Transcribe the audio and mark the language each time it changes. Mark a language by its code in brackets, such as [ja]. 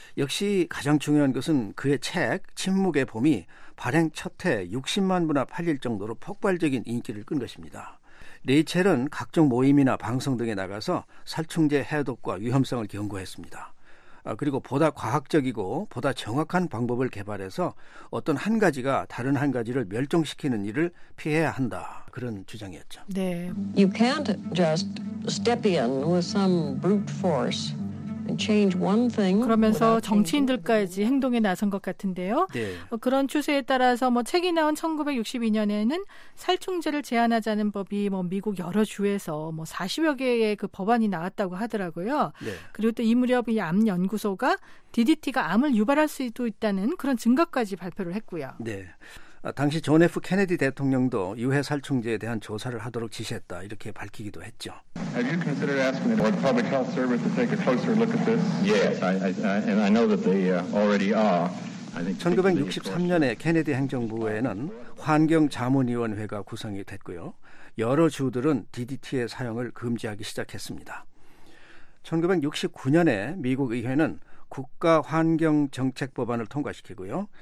[ko] 역시 가장 중요한 것은 그의 책 침묵의 봄이 발행 첫해 60만 부나 팔릴 정도로 폭발적인 인기를 끈 것입니다. 레이첼은 각종 모임이나 방송 등에 나가서 살충제 해독과 위험성을 경고했습니다. 그리고 보다 과학적이고 보다 정확한 방법을 개발해서 어떤 한 가지가 다른 한 가지를 멸종시키는 일을 피해야 한다. 그런 주장이었죠. 네. [en] You can't just step in with some brute force and change one thing. [ko] 그러면서 정치인들까지 행동에 나선 것 같은데요. 네. 그런 추세에 따라서 뭐 책이 나온 1962년에는 살충제를 제한하자는 법이 뭐 미국 여러 주에서 뭐 40여 개의 그 법안이 나왔다고 하더라고요. 네. 그리고 또 이 무렵 이 암 연구소가 DDT가 암을 유발할 수도 있다는 그런 증거까지 발표를 했고요. 네. 당시 존 F. 케네디 대통령도 유해 살충제에 대한 조사를 하도록 지시했다 이렇게 밝히기도 했죠. [en] Have you considered asking the Board of Public Health Service to take a closer look at this? Yes, I know that they already are. [ko] 1963년에 케네디 행정부에는 환경 자문위원회가 구성이 됐고요. 여러 주들은 DDT의 사용을 금지하기 시작했습니다. 1969년에 미국 의회는 국가환경정책법안을 통과시키고요.